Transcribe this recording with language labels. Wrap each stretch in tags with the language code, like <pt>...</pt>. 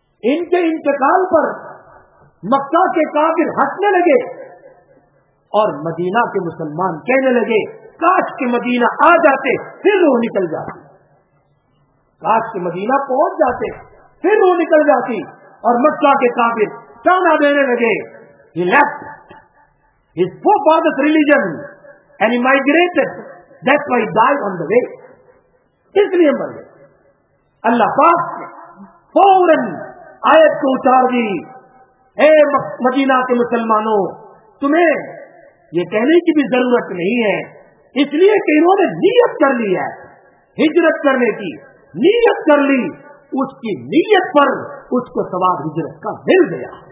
<ur>ان کے انتقال پر مکہ کے کافر ہٹنے لگے اور مدینہ کے مسلمان کہنے لگے کاش کے مدینہ آ جاتے پھر روح نکل جاتی، کاش کے مدینہ پہنچ جاتے پھر روح نکل جاتی، اور مکہ کے کافر تانا دینے لگے.</ur> <en>He left his forefather's religion and he migrated. That's why he died on the way.</en> <ur>اس لیے مر گئے. اللہ پاک نے فوراً آیت کو اتار دی، اے مدینہ کے مسلمانوں تمہیں یہ کہنے کی بھی ضرورت نہیں ہے، اس لیے کہ انہوں نے نیت کر لی ہے ہجرت کرنے کی، نیت کر لی، اس کی نیت پر اس کو ثواب ہجرت کا مل گیا.</ur>